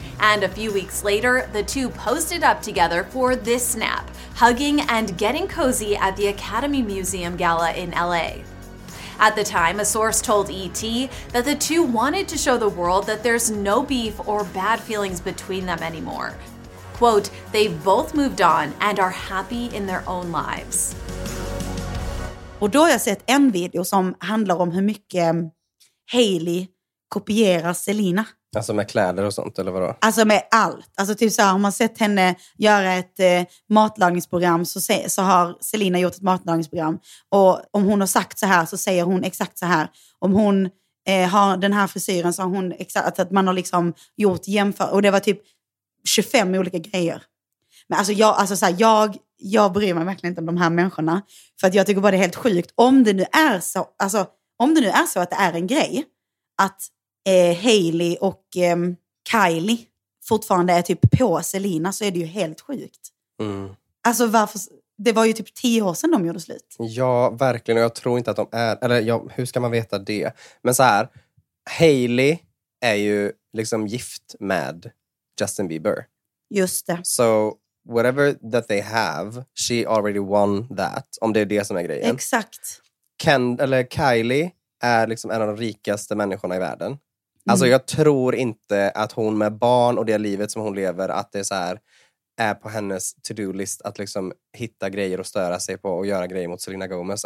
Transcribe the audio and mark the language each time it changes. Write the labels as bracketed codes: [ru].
[en] And a few weeks later, the two posted up together for this snap, hugging and getting cozy at the Academy Museum Gala in LA. At the time, a source told ET that the two wanted to show the world that there's no beef or bad feelings between them anymore. Quote, they've both moved on and are happy in their own lives. [sv] Och då har jag sett en video som handlar om hur mycket Hailey kopierar Selena. Alltså med kläder och sånt, eller vadå? Alltså med allt. Alltså typ så här, om man sett henne göra ett matlagningsprogram så har Selena gjort ett matlagningsprogram. Och om hon har sagt så här så säger hon exakt så här. Om hon har den här frisyren så har hon exakt, att man har liksom gjort jämför. Och det var typ 25 olika grejer. Men alltså jag bryr mig verkligen inte om de här människorna. För att jag tycker bara det är helt sjukt. Om det nu är så, alltså, om det nu är så att det är en grej att Hailey och Kylie fortfarande är typ på Selena, så är det ju helt sjukt. Mm. Alltså varför, det var ju typ 10 år sedan de gjorde slut. Ja, verkligen. Och jag tror inte att de är, eller ja, hur ska man veta det? Men så här, Hailey är ju liksom gift med Justin Bieber. Just det. [en] So whatever that they have, she already won that. [sv] Om det är det som är grejen. Exakt. Kylie är liksom en av de rikaste människorna i världen. Mm. Alltså jag tror inte att hon med barn och det livet som hon lever, att det är så här, är på hennes to-do-list att liksom hitta grejer och störa sig på och göra grejer mot Selena Gomez.